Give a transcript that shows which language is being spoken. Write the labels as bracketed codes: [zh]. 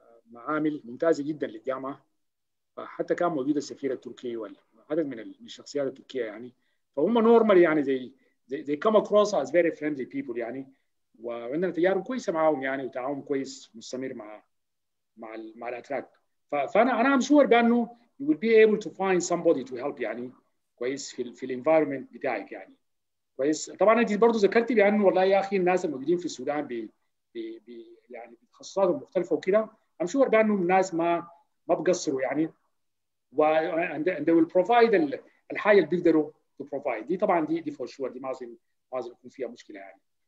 [ar] بمعامل ممتازة جدا للجامعة، فحتى كان موجود السفير التركي وعدد من الشخصيات التركية يعني، فهم normal يعني [en] they come across as very friendly people [ar] يعني، وعندنا تجارب كويسه معاهم يعني، وتعاون كويس مستمر مع الاتراك. فانا [en] I'm sure [ar] بانه [en] you will be able to find somebody to help [ar] يعني كويس في الانفايرمنت بتاعك يعني كويس. طبعا انت برضه ذكرتي بانه والله يا اخي الناس الموجودين في السودان يعني بتخصصات مختلفه وكده، [en] I'm sure [ar] بانه الناس ما بقصروا يعني، [en] and they will provide [ar] الحاجه اللي بيقدروا [en] to provide. [ar] دي طبعا دي فور شور، دي ما لازم يكون فيها مشكله يعني.